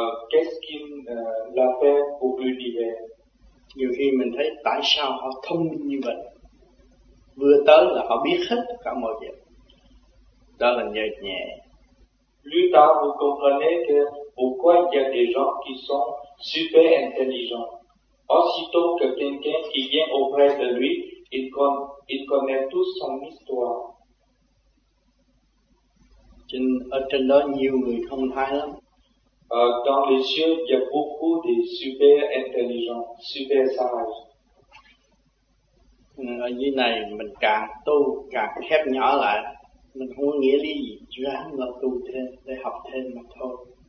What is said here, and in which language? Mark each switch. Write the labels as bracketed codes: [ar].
[fr] Qu'est-ce qu'il l'a fait pour l'univers? [vi] Nhiều khi mình thấy tại sao họ thông minh như vậy. Vừa tới là họ biết hết cả mọi việc. Đó là nhờ nhẹ. [fr] Plus tard, vous comprenez que pourquoi il y a des gens qui sont super intelligents. Aussitôt que quelqu'un qui vient auprès de lui, il connaît toute son histoire. [vi] Ở trên đó nhiều người thông thái lắm. [fr] Dans les cieux, il y a beaucoup de super intelligents, super sages. [vi] Ở dưới này, mình càng tu, càng khép nhỏ lại. Mình không có nghĩa lý gì, chỉ ráng là tu thêm, để học thêm mà thôi.